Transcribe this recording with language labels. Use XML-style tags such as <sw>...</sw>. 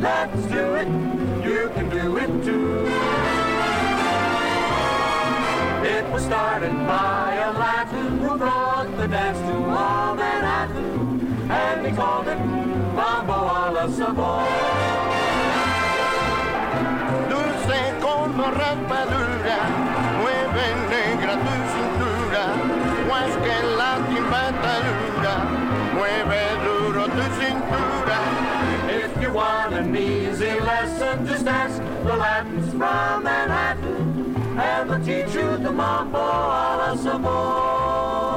<en>Let's do it, you can do it too. It was started by a Latin who brought the dance to all Manhattan, and he called it Mambo a la Savoy.</en> <es>Dulce como rapadura, mueve negra tu cintura, más que la timbatadura, mueve duro tu cintura.</es> <en>If you want an easy lesson, just ask the Latins from Manhattan, and they'll teach you the Mambo a la Savoy.</en>